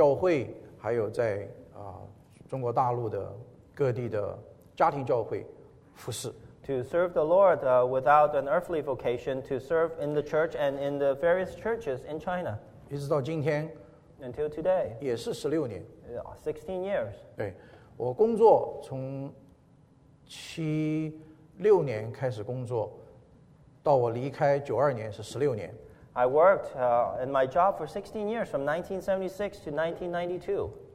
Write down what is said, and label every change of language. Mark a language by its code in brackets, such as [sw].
[zh] 然后开始全职的在自己的教会，还有在 中国大陆的各地的家庭教会服侍。 [en] To serve the Lord without an earthly vocation, to serve in the church and in the various churches in China. [zh] 一直到今天。 [en] Until today. [zh] 也是16年。 [en] 16 years. [zh] 对，我工作从76年开始工作，到我离开92年是16年。 [en] I worked in my job for 16 years, from 1976 to 1992.